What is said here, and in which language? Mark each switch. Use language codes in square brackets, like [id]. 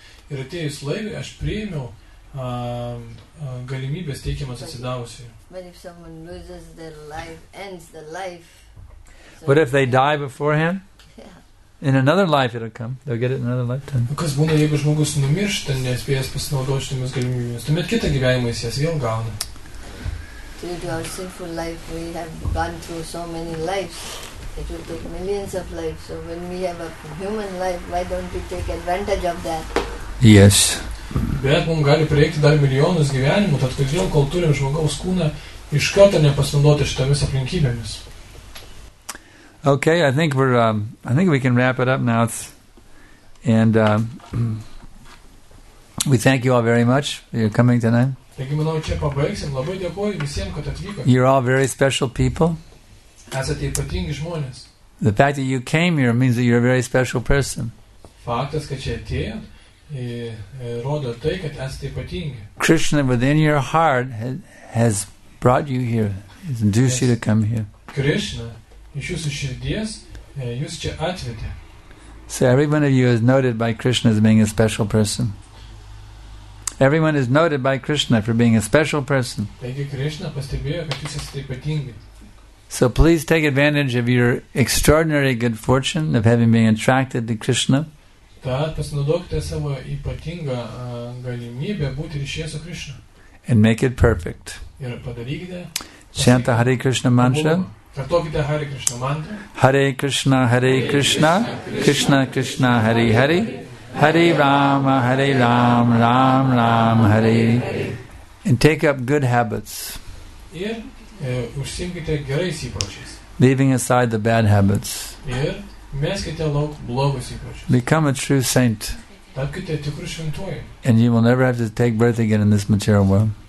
[lt] Ir atėjus laivį, aš priėmiau galimybės teikiamas atsidavusiai. [en] But if someone loses their life, ends the life. But if they die beforehand? In another life it'll come. They'll get it in another lifetime. [lt] Kas būna, jeigu žmogus numiršta, nespėjęs pasinaudoti šitomis galimybėmis? Tuomet kitą gyvenimą jis jas vėl gauna. [en] Due to our sinful life, we have gone through so many lives. It will take millions of lives. So when we have a human life, why don't we take advantage of that? Yes. [lt] Bet mums gali prieikti dar milijonus gyvenimų, tad kodėl, kol turim žmogaus kūną, iš karto nepasinaudoti šitomis aplinkybėmis. [en] Okay, I think we're I think we can wrap it up now. And we thank you all very much for your coming tonight. [lt] Taigi, manau, čia pabaigsim. Labai dėkuoju visiems, kad atvyko. [en] You're all very special people. [lt] Esate ypatingi žmonės. [en] The fact that you came here means that you're a very special person. [lt] Faktas, kad čia atėjo. Rodo tai, kad esate ypatingi. [en] Krishna within your heart has brought you here, has induced you to come here. [lt] Krishna, iš jūsų širdies, jūs čia atvedė. [en] So everyone of you is noted by Krishna as being a special person. Everyone is noted by Krishna for being a special person. [lt] Taigi Krishna pastebėjo, kad jūs esate ypatingi. [en] So please take advantage of your extraordinary good fortune of having been attracted to Krishna. [lt] Tad pasinaudokite savo ypatingą galimybę būti ryšyje su Krishna. [en] And make it perfect. [lt] Ir padarykite. [en] Chant the Hare Krishna mantra. [lt] Kartokite Hare Krishna mantra. [sa] Hare Krishna, Hare Krishna, Krishna Krishna, Hare Hare. Hare Rama, Hare Rama, Rama Rama, Hare. [en] And take up good habits. [lt] Ir užsiimkite gerais įpročiais. [en] Leaving aside the bad habits. [lt] Ir meskite lauk blogus įpročius. [en] Become a true saint. [lt] Tapkite tikrų šventuoju. [en] And you will never have to take birth again in this material world.